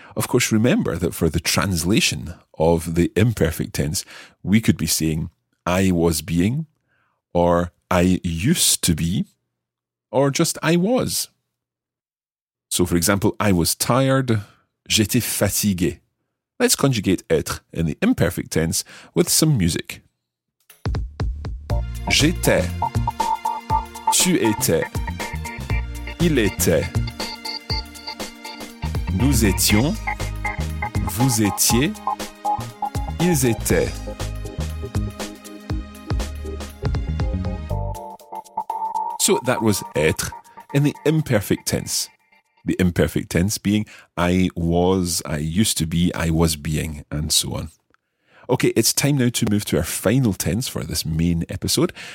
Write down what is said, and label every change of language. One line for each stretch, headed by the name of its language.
English: Of course, remember that for the translation of the imperfect tense, we could be saying I was being, or I used to be, or just I was. So for example, I was tired,
French: j'étais fatigué.
English: Let's conjugate être in the imperfect tense with some music.
French: J'étais, tu étais, il était, nous étions, vous étiez, ils étaient.
English: So that was être in the imperfect tense. The imperfect tense being I was, I used to be, I was being, and so on. Okay, it's time now to move to our final tense for this main episode.